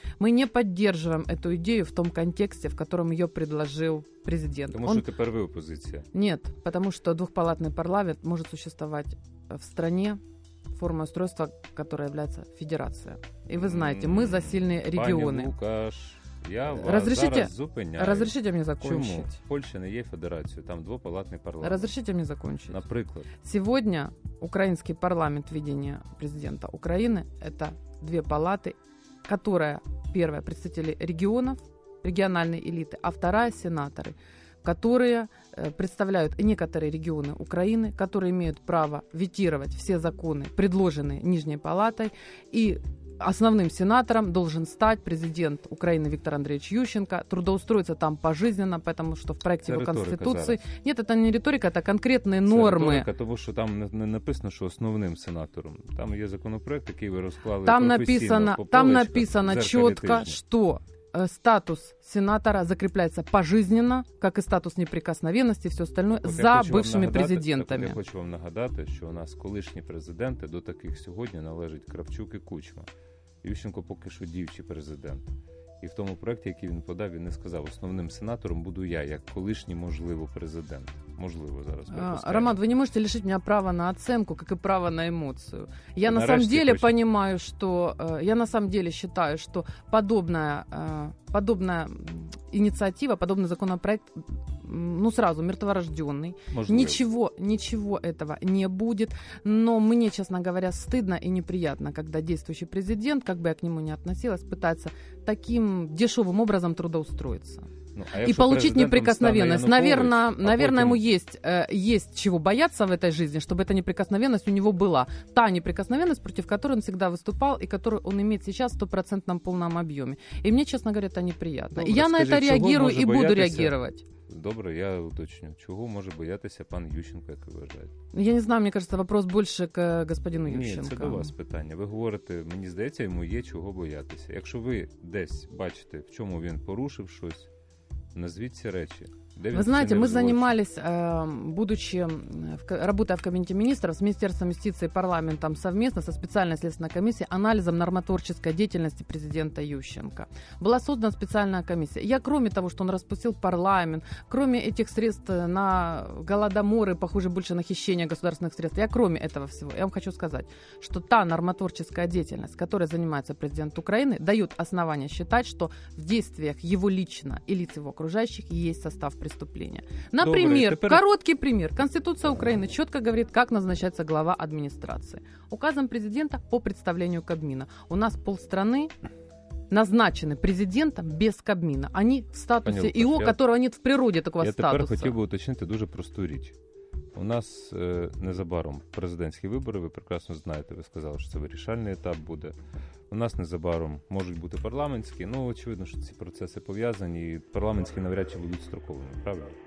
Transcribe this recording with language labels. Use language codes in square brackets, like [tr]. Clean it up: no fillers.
[ru] Мы не поддерживаем эту идею в том контексте, в котором ее предложил президент. Потому что теперь вы оппозиция. Нет, потому что двухпалатный парламент может существовать в стране, форма устройства, которая является федерация. И вы знаете, мы за сильные регионы. [uk] Пане Лукаш, [ru] я вас разрешите, [uk] зараз зупиняю. [ru] Разрешите мне закончить. [uk] Чому? Польща не є федерацією, там двопалатний парламент. [ru] Разрешите мне закончить. [uk] Наприклад. [ru] Сегодня украинский парламент ведения президента Украины – это две палаты, которая, первая, представители регионов, региональной элиты, а вторая – сенаторы, которые представляют некоторые регионы Украины, которые имеют право ветировать все законы, предложенные Нижней палатой. И основным сенатором должен стать президент Украины Виктор Андреевич Ющенко. Трудоустроится там пожизненно, потому что в проекте его Конституции... [uk] Зараз. [ru] Нет, это не риторика, это конкретные [uk] це [ru] нормы. Риторика, потому что там не написано, что основным сенатором. Там есть законопроект, который вы раскладываете профессионально. Там написано четко, что статус сенатора закрепляется пожизненно, как и статус неприкосновенности и все остальное, так, за бывшими [uk] нагадати, [ru] президентами. [uk] Так, я хочу вам нагадати, що у нас колишні президенти, до таких сьогодні належить Кравчук і Кучма. Ющенко поки що дівчий президент. І в тому проєкті, який він подав, він не сказав, основним сенатором буду я, як колишній, можливо, президент. Можливо, зараз. Роман, ви не можете лишити мене права на оцінку, як і права на емоцію. [ru] Я на самом деле понимаю, [uk] що я [ru] на самом деле считаю, що подобная ініціатива, подобный законопроект, ну, сразу мертворожденный. [uk] Можливо. [ru] Ничего этого не будет. Но мне, честно говоря, стыдно и неприятно, когда действующий президент, как бы я к нему ни относилась, пытается таким дешевым образом трудоустроиться. Ну, и получить неприкосновенность. Наверное, ему есть чего бояться в этой жизни, чтобы эта неприкосновенность у него была. Та неприкосновенность, против которой он всегда выступал и которую он имеет сейчас в 100% полном объеме. И мне, честно говоря, это неприятно. [uk] Добре, [ru] я на [uk] скажи, [ru] это реагирую и буду реагировать. [uk] Добре, я уточню. Чого може боятися пан Ющенко, як ви вважаєте? Я не знаю, мені кажеться, [ru] вопрос [uk] більше к господину Ющенко. Ні, це до вас питання. Ви говорите, мені здається, йому є чого боятися. Якщо ви десь бачите, в чому він порушив щось, назвіть ці речі. [ru] Вы знаете, мы занимались, будучи, работая в Кабинете министров, с Министерством юстиции и парламентом совместно со специальной следственной комиссией анализом нормотворческой деятельности президента Ющенко. Была создана специальная комиссия. Я, кроме того, что он распустил парламент, кроме этих средств на голодоморы, похоже, больше на хищение государственных средств, я кроме этого всего, я вам хочу сказать, что та нормотворческая деятельность, которой занимается президент Украины, дает основания считать, что в действиях его лично и лиц его окружающих есть состав преступления. Например, [uk] добре, тепер... [ru] короткий пример. Конституция Украины четко говорит, как назначается глава администрации. Указом президента по представлению Кабмина. У нас полстраны назначены президентом без Кабмина. Они в статусе ИО, которого нет в природе такого я статуса. [uk] Я тепер хотів би уточнити дуже просту річ. У нас незабаром президентські вибори, ви прекрасно знаєте, ви сказали, що це вирішальний етап буде. У нас незабаром можуть бути парламентські. Ну, очевидно, що ці процеси пов'язані, і парламентські навряд чи будуть строковими, правильно?